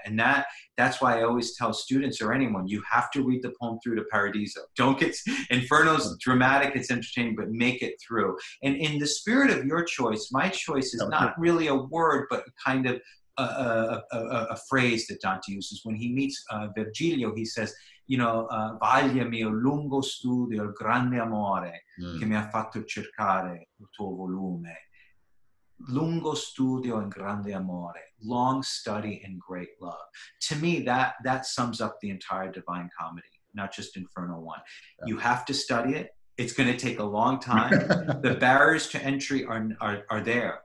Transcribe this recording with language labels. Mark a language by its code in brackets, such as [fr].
[en] And that's why I always tell students or anyone, you have to read the poem through to Paradiso. Don't get, Inferno's dramatic, it's entertaining, but make it through. And in the spirit of your choice, my choice is not really a word, but kind of a phrase that Dante uses. When he meets Virgilio, he says, you know, [it] "Vaglia mio lungo studio, il grande amore che mi ha fatto cercare il tuo volume." Lungo studio [en] and [it] grande amore, [en] long study and great love. To me, that sums up the entire Divine Comedy, not just Inferno 1. Yeah. You have to study it. It's going to take a long time. The barriers to entry are there.